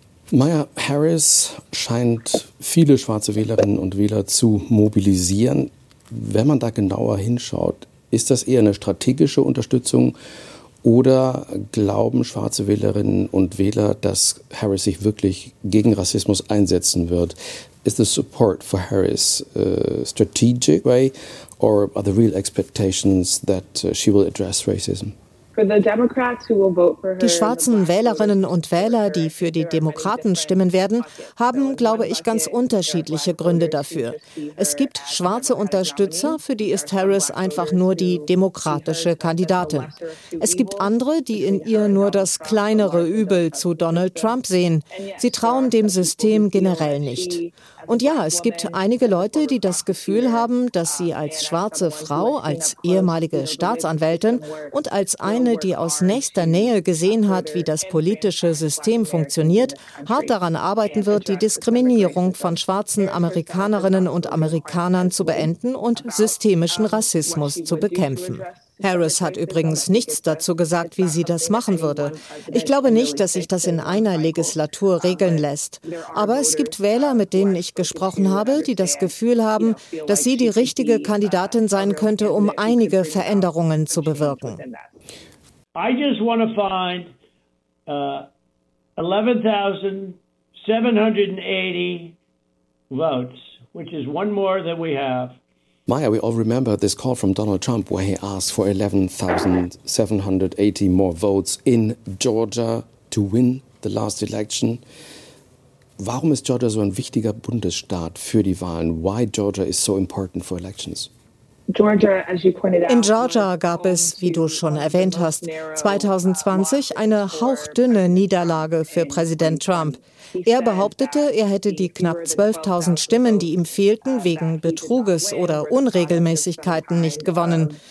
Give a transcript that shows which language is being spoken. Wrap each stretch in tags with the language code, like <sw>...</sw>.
<de>Maya Harris scheint viele schwarze Wählerinnen und Wähler zu mobilisieren. Wenn man da genauer hinschaut, ist das eher eine strategische Unterstützung oder glauben schwarze Wählerinnen und Wähler, dass Harris sich wirklich gegen Rassismus einsetzen wird?</de> <en>Is the support for Harris a strategic way or are the real expectations that she will address racism?</en> <de>Die schwarzen Wählerinnen und Wähler, die für die Demokraten stimmen werden, haben, glaube ich, ganz unterschiedliche Gründe dafür. Es gibt schwarze Unterstützer, für die ist Harris einfach nur die demokratische Kandidatin. Es gibt andere, die in ihr nur das kleinere Übel zu Donald Trump sehen. Sie trauen dem System generell nicht. Und ja, es gibt einige Leute, die das Gefühl haben, dass sie als schwarze Frau, als ehemalige Staatsanwältin und als eine, die aus nächster Nähe gesehen hat, wie das politische System funktioniert, hart daran arbeiten wird, die Diskriminierung von schwarzen Amerikanerinnen und Amerikanern zu beenden und systemischen Rassismus zu bekämpfen. Harris hat übrigens nichts dazu gesagt, wie sie das machen würde. Ich glaube nicht, dass sich das in einer Legislatur regeln lässt. Aber es gibt Wähler, mit denen ich gesprochen habe, die das Gefühl haben, dass sie die richtige Kandidatin sein könnte, um einige Veränderungen zu bewirken.</de> <en>I just want to find 11,780 votes, which is one more than we have. Maya, we all remember this call from Donald Trump where he asked for 11,780 more votes in Georgia to win the last election.</en> <de>Warum ist Georgia so ein wichtiger Bundesstaat für die Wahlen?</de> <en>Why Georgia is so important for elections?</en> <de>In Georgia gab es, wie du schon erwähnt hast, 2020 eine hauchdünne Niederlage für Präsident Trump. Er behauptete, er hätte die knapp 12.000 Stimmen, die ihm fehlten, wegen Betruges oder Unregelmäßigkeiten nicht gewonnen.</de>